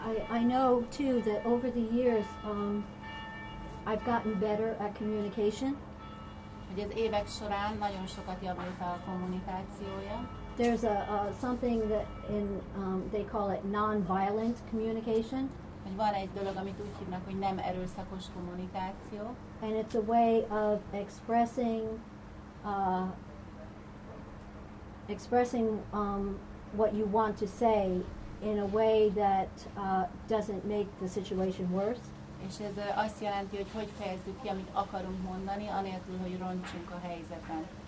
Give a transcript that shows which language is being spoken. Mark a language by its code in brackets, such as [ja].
[en] I know too that over the years I've gotten better at communication. [hu] Hogy az évek során nagyon sokat javult a kommunikációja. [en] There's a something that in they call it non-violent communication. [hu] Hogy van egy dolog, amit úgy hívnak, hogy nem erőszakos kommunikáció. [en] And it's a way of expressing what you want to say in a way that doesn't make the situation worse. [hu] És ez azt jelenti, hogy fejezzük ki, amit akarunk mondani, anélkül, hogy roncsunk a helyzeten.